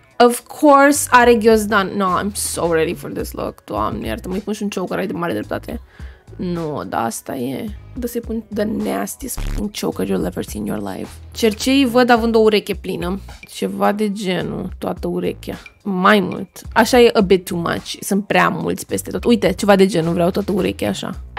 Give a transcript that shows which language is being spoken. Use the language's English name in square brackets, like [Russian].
[English] Of course [Romanian] are ghiozdan. [English] No, I'm so ready for this look. [Romanian] Doamne, iartă, mă-i pun și un choker, ai de mare dreptate. Nu, no, da, asta e. Dă să-i pun [English] the nastiest fucking choker you'll ever see in your life. [Romanian] Cerceii văd având o ureche plină. Ceva de genul, toată urechea. Mai mult. Așa e [English] a bit too much. [Romanian] Sunt prea mulți peste tot. Uite, ceva de genul, vreau toată urechea așa.